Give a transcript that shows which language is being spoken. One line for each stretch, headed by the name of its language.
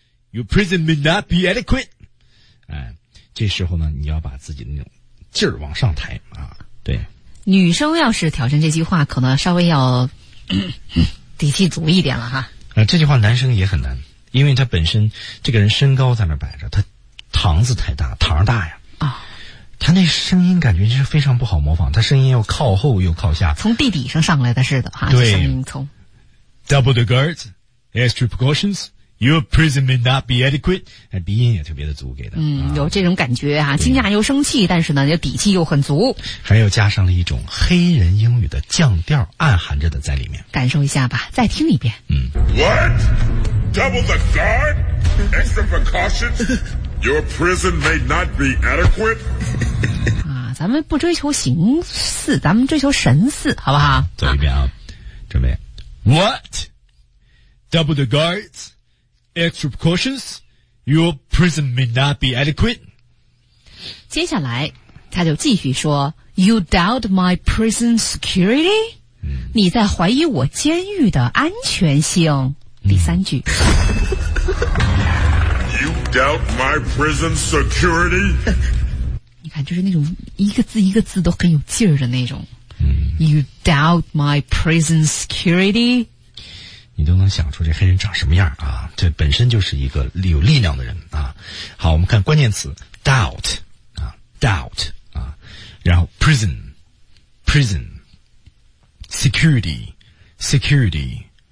English: Your prison may not be adequate.
Chinese: 这时候呢，你要把自己的那种劲儿往上抬啊。对。女生要是挑战这句话，可能稍微要底气足一点了哈。这句话男生也很难，因为他本身这个人身高在那摆着，他膛子太大，膛大呀。他那声音感觉就是非常不好模仿，他声音又靠后又靠下，从地底上上来的似的哈。对，声音从
English: Double the guards, extra precautions, your prison may not be adequate。
Chinese: 哎，鼻音也特别的足，给的有这种感觉啊，惊讶又生气，但是呢又底气又很足，还有加上了一种黑人英语的降调暗含着的在里面，感受一下吧，再听一遍。
English: What? Double the guard? Extra precautions? Your prison may not be adequate.
Chinese: 啊，咱们不追求形似，咱们追求神似，好不好？走一遍啊，准备。
English: What? Double the guards, extra precautions. Your prison may not be adequate.
Chinese: 接下来，他就继续说 ，
English: You doubt my prison security?
Chinese: 你在怀疑我监狱的安全性。第三句。
English: Doubt my prison security?
Chinese: 你看，就是那种一个字一个字都很有劲儿的那种。
English: You doubt my prison security?
Chinese: 你都能想出这黑人长什么样啊？这本身就是一个有力量的人啊。好，我们看关键词 doubt 啊 ，doubt 啊，然后 prison security security。